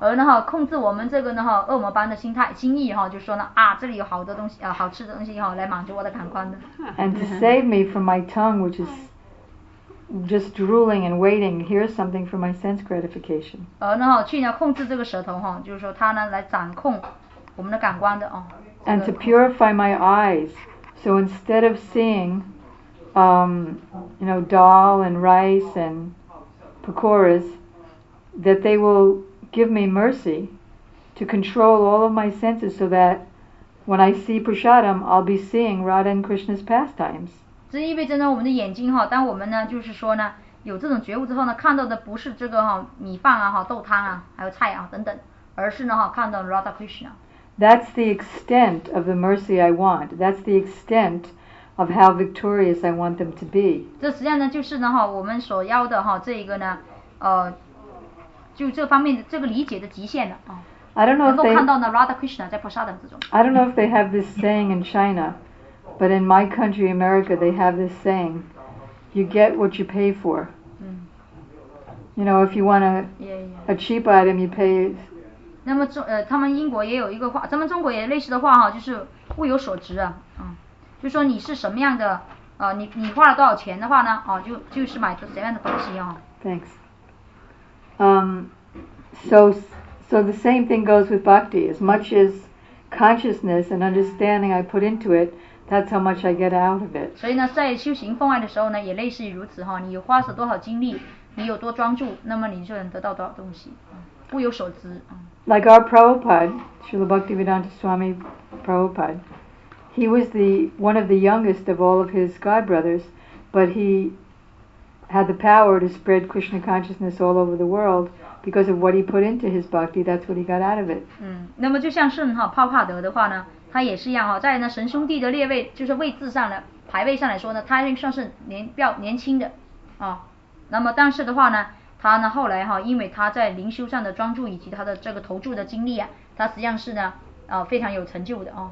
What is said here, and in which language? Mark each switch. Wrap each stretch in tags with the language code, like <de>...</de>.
<zh>而呢哈，控制我们这个呢哈，恶魔般的心态、心意哈，就说呢啊，这里有好多东西啊，好吃的东西哈，来满足我的感官的。</zh> <en>And to save me from my tongue, which is just drooling and waiting, here's something for my sense gratification.</en> <zh>而呢哈，去呢控制这个舌头哈，就是说它呢来掌控我们的感官的啊。</zh> <en>And to purify my eyes, so instead of seeing, you know, dal and rice and pakoras, that they will give me mercy to control all of my senses so that when I see prasadam, I'll be seeing Radha and Krishna's pastimes.</en> <zh>这意味着呢，我们的眼睛哈，当我们呢，就是说呢，有这种觉悟之后呢，看到的不是这个哈米饭啊、哈豆汤啊、还有菜啊等等，而是呢哈看到 Radha Krishna.</zh> <en>That's the extent of the mercy I want. That's the extent of how victorious I want them to be.</en> <zh>这实际上呢就是呢哈我们所要的哈这一个呢就这方面的这个理解的极限的啊。</zh> <en>I don't know if they</en> <zh>能够看到呢 Radha Krishna 在 Prasadam 之中。</zh> <en>I don't know if they have this saying in China, but in my country, America, they have this saying, you get what you pay for. You know, if you want a cheap item, you pay.</en> <zh>那么他们英国也有一个话，咱们中国也类似的话哈，就是物有所值啊，嗯，就说你是什么样的，你花了多少钱的话呢，啊，就是买什么样的东西啊。</zh> <en>Thanks. So the same thing goes with bhakti. As much as consciousness and understanding I put into it, that's how much I get out of it.</en> <zh>所以呢，在修行奉爱的时候呢，也类似于如此哈，你花了多少精力，你有多专注，那么你就能得到多少东西，物有所值。</zh> <en>Like our Prabhupada, Srila Bhaktivedanta Swami Prabhupada, he was one of the youngest of all of his god brothers, but he had the power to spread Krishna consciousness all over the world because of what he put into his bhakti, that's what he got out of it.</en> <zh>那么就像圣哈帕帕德的话呢，他也是一样哈，在那神兄弟的列位，就是位置上的排位上来说呢，他算是年轻的啊。那么但是的话呢，他呢后来哈，因为他在灵修上的专注以及他的这个投注的精力啊，他实际上是呢非常有成就的啊。</zh>